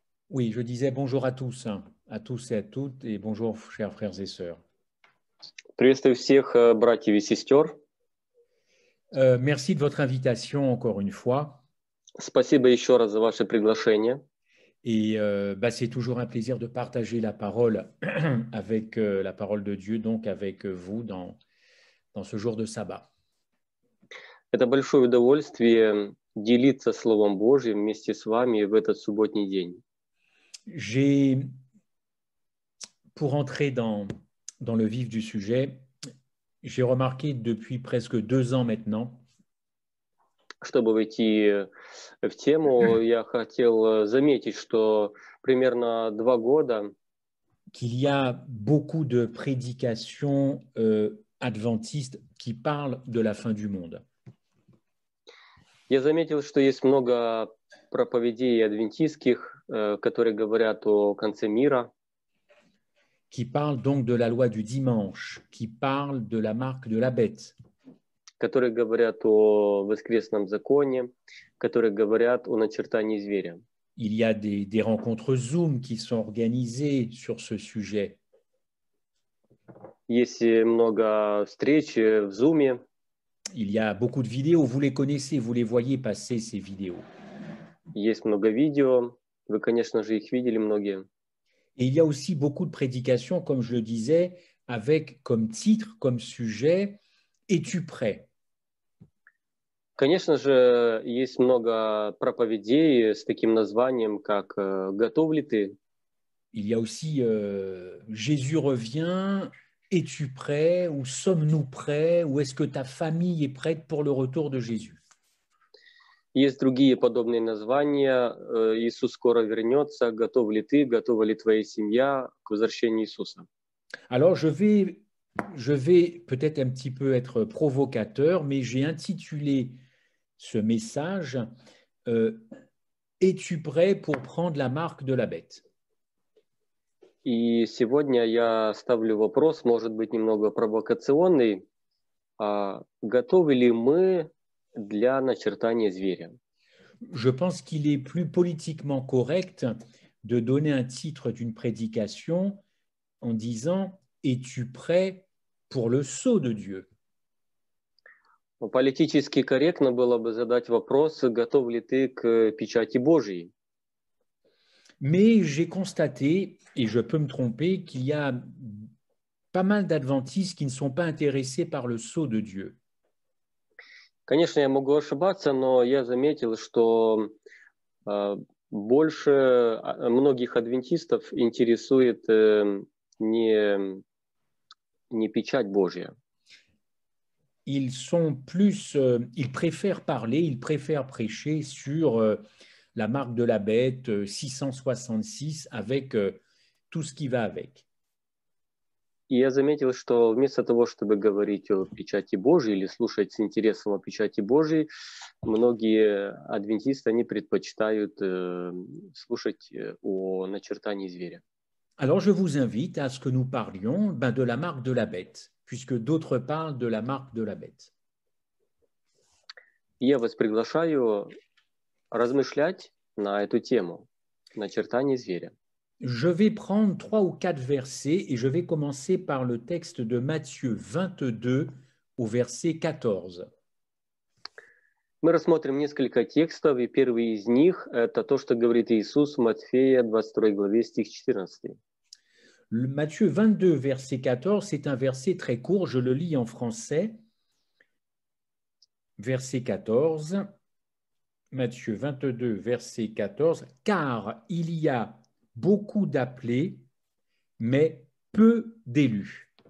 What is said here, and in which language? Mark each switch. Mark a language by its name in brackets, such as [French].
[French] Oui, je disais bonjour à tous et à toutes, et bonjour, chers frères et sœurs. [Russian] Приветствую всех, братьев и сестер. [French] Merci de votre invitation encore une fois. [Russian] Спасибо еще раз за ваше приглашение. [French] Et c'est toujours un plaisir de partager la parole avec la parole de Dieu, donc avec vous dans ce jour de sabbat. [Russian] Это большое удовольствие делиться Словом Божьим вместе с вами в этот субботний день. [French] J'ai, pour entrer dans le vif du sujet, j'ai remarqué depuis presque 2 ans maintenant. [Russian] Чтобы войти в тему, я хотел заметить, что примерно 2 года. [French] Qu'il y a beaucoup de prédications adventistes qui parlent de la fin du monde. [Russian] Я заметил, что есть много проповедей адвентистских, которые говорят о конце мира. [French] Qui parle donc de la loi du dimanche, qui parle de la marque de la bête. [Russian] Которые говорят о воскресном законе, которые говорят о начертании зверя. [French] Il y a des rencontres Zoom qui sont organisées sur ce sujet. [Russian] Есть много встреч в Zoom. [French] Il y a beaucoup de vidéos, vous les connaissez, vous les voyez passer ces vidéos. [Russian] Есть много видео, вы, конечно же, их видели многие. [French] Et il y a aussi beaucoup de prédications, comme je le disais, avec comme titre, comme sujet, es-tu prêt? [Russian] Конечно же, есть много проповедей с таким названием, как «Готов ли ты?». [French] Il y a aussi Jésus revient. Es-tu prêt? Ou sommes-nous prêts? Ou est-ce que ta famille est prête pour le retour de Jésus? [Russian] Есть другие подобные названия. Иисус скоро вернется. Готов ли ты? Готова ли твоя семья к возвращению Иисуса? [French] Alors, je vais peut-être un petit peu être provocateur, mais j'ai intitulé ce message Es-tu prêt pour prendre la marque de la bête? [Russian] И сегодня я ставлю вопрос, может быть, немного провокационный. Готовы ли мы для начертания зверя? [French] Je pense qu'il est plus politiquement correct de donner un titre d'une prédication en disant «Es-tu prêt pour le sceau de Dieu?» [Russian] Политически корректно было бы задать вопрос «Готов ли ты к печати Божьей?» [French] Mais j'ai constaté, et je peux me tromper, qu'il y a pas mal d'adventistes qui ne sont pas intéressés par le sceau de Dieu. [Russian] Конечно, я могу ошибаться, но я заметил, что больше многих адвентистов интересует не печать Божья. [French] Ils sont plus, ils préfèrent parler, ils préfèrent prêcher sur la marque de la bête 666 avec tout ce qui va avec. [Russian] Я заметил, что вместо того, чтобы говорить о печати Божьей или слушать с интересом о печати Божьей, многие адвентисты они предпочитают слушать о начертании зверя. [French] Alors je vous invite à ce que nous parlions de la marque de la bête, puisque d'autres parlent de la marque de la bête. [Russian] Я вас приглашаю размышлять на эту тему, начертание зверя. [French] Je vais prendre 3 ou 4 versets et je vais commencer par le texte de Matthieu 22 au verset 14. [Russian] Мы рассмотрим несколько текстов, и первый из них это то, что говорит Иисус в Матфея 22 главе стих 14. [French] Le Matthieu 22 verset 14, c'est un verset très court, je le lis en français. Verset 14. Matthieu 22 verset 14, car il y a beaucoup d'appelés, mais peu d'élus.